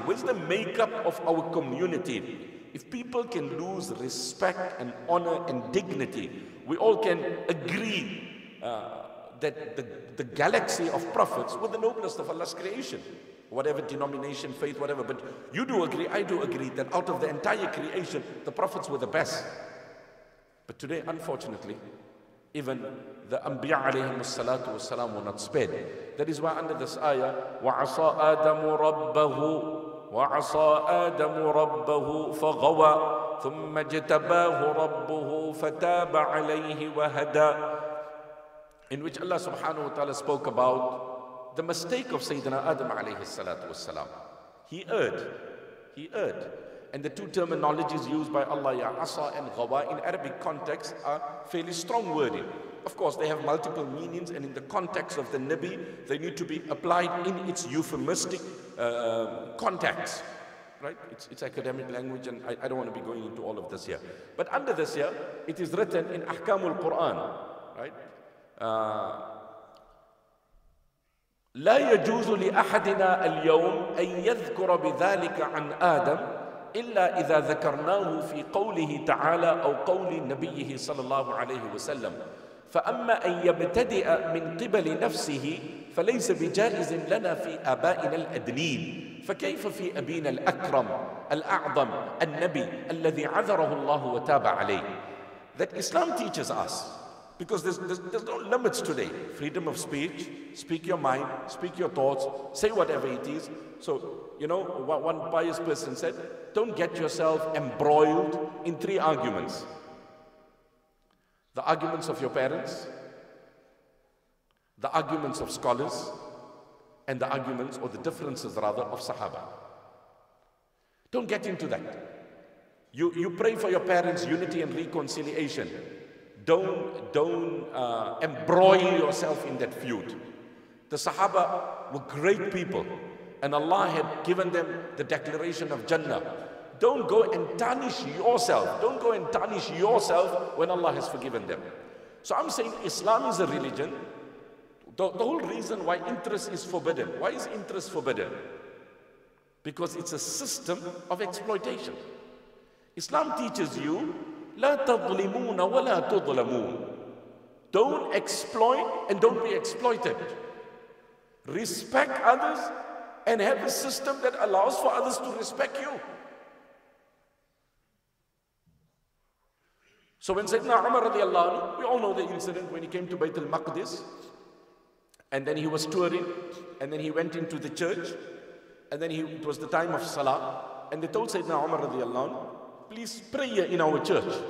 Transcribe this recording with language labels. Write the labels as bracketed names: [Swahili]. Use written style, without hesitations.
[English] Where's the makeup of our community? If people can lose respect and honor and dignity, we all can agree that the galaxy of prophets were the noblest of Allah's creation. Whatever denomination, faith, whatever. But you do agree, I do agree, that out of the entire creation, the prophets were the best. But today, unfortunately, even the Anbiya alayhi salatu wasalam were not spared. [Arabic] That is why under this ayah, وَعَصَى آدَمُ رَبَّهُ وَعَصَى آدَمُ رَبَّهُ فَغَوَى ثُمَّ اجْتَبَاهُ رَبُّهُ فَتَابَ عَلَيْهِ وَهَدَى. [English] In which Allah subhanahu wa ta'ala spoke about the mistake of Sayyidina Adam alayhi salatu wasalam. He erred. And the two terminologies used by Allah, ya asa and ghawa, in Arabic context are fairly strong wording. Of course, they have multiple meanings, and in the context of the Nabi, they need to be applied in its euphemistic context. Right? It's academic language, and I don't want to be going into all of this here. But under this here, it is written in Ahkamul Quran, right? [Arabic] لا يجوز لأحدنا اليوم أن يذكر بذلك عن آدم إلا إذا ذكرناه في قوله تعالى أو قول نبيه صلى الله عليه وسلم فأما أن يبتدئ من قبل نفسه فليس بجائز لنا في آبائنا الأدنين فكيف في أبينا الأكرم الأعظم النبي الذي عذره الله وتاب عليه. [English] That Islam teaches us, because there's no limits today. Freedom of speech, speak your mind, speak your thoughts, say whatever it is. So, you know, one pious person said, don't get yourself embroiled in three arguments. The arguments of your parents, the arguments of scholars, and the arguments, or the differences rather, of Sahaba. Don't get into that. You pray for your parents' unity and reconciliation. Don't embroil yourself in that feud. The Sahaba were great people, and Allah had given them the declaration of Jannah. Don't go and tarnish yourself. Don't go and tarnish yourself when Allah has forgiven them. So I'm saying Islam is a religion. The whole reason why interest is forbidden. Why is interest forbidden? Because it's a system of exploitation. Islam teaches you, [Arabic] لا تظلمون ولا تظلمون. [English] Don't exploit and don't be exploited. Respect others and have a system that allows for others to respect you. So when Sayyidina Umar radiallahu anhu, we all know the incident when he came to Bayt al-Maqdis, and then he was touring, and then he went into the church, and then it was the time of Salah, and they told Sayyidina Umar radiallahu anhu, please pray here in our church.